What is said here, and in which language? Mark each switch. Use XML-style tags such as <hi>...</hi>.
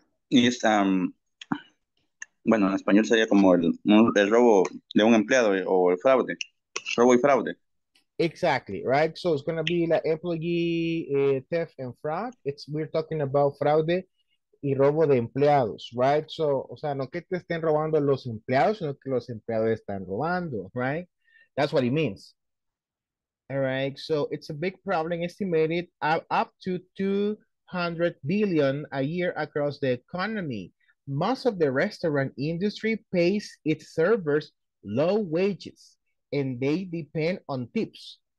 <es>Es, bueno, en español sería como el robo de un empleado o el fraude. Robo y fraude.</es> <en>Exactly, right? So it's going to be like employee theft and fraud. It's, we're talking about fraude y robo de empleados, right?</en> <es>So, o sea, no que te estén robando los empleados, sino que los empleados están robando, right?</es> <en>That's what it means. All right, so it's a big problem estimated up to 200 billion a year across the economy. Most of the restaurant industry pays its servers low wages, and they depend on tips.</en>